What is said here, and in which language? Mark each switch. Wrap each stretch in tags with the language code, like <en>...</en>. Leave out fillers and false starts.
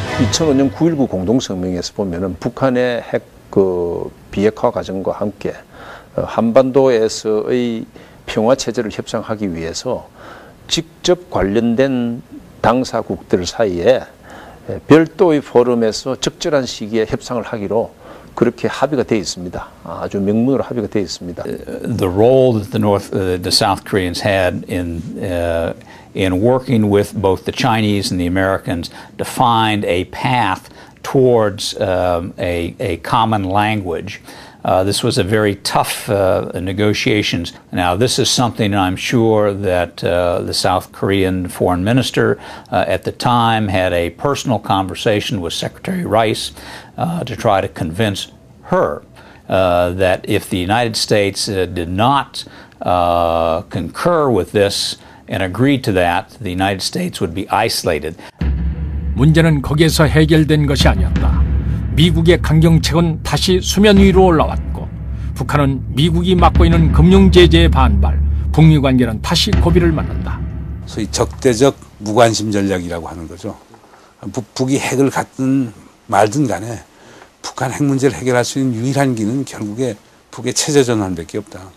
<ko>2005년 9.19 공동성명에서 보면은 북한의 핵 그 비핵화 과정과 함께 한반도에서의 평화 체제를 협상하기 위해서 직접 관련된 당사국들 사이에 별도의 포럼에서 적절한 시기에 협상을 하기로 그렇게 합의가 되어 있습니다. 아주 명문으로 합의가 되어 있습니다.</ko> <en>The role that the South Koreans had in working with both the Chinese and the Americans to find a path towards a common language. This was a very tough negotiations. Now, this is something I'm sure that the South Korean foreign minister at the time had a personal conversation with Secretary Rice to try to convince her that if the United States did not concur with this and agree to that, the United States would be isolated.</en> <ko>문제는 거기에서 해결된 것이 아니었다. 미국의 강경책은 다시 수면 위로 올라왔고 북한은 미국이 막고 있는 금융 제재에 반발, 북미 관계는 다시 고비를 맞는다. 소위 적대적 무관심 전략이라고 하는 거죠. 북이 핵을 갖든 말든 간에 북한 핵 문제를 해결할 수 있는 유일한 길은 결국에 북의 체제 전환밖에 없다.</ko>